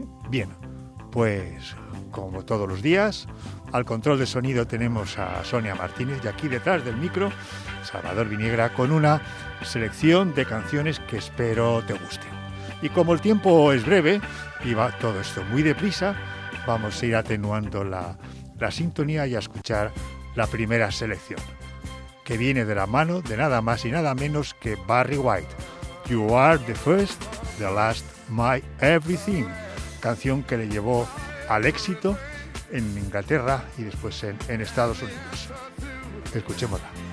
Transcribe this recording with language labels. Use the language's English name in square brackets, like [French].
[Spanish] Bien, pues como todos los días, al control de sonido tenemos a Sonia Martínez y aquí detrás del micro, Salvador Viniegra, con una selección de canciones que espero te gusten. Y como el tiempo es breve y va todo esto muy deprisa, vamos a ir atenuando la sintonía y a escuchar la primera selección, que viene de la mano de nada más y nada menos que Barry White. [English] You are the first, the last, my everything. [Spanish] Canción que le llevó al éxito en Inglaterra y después en Estados Unidos. Escuchémosla.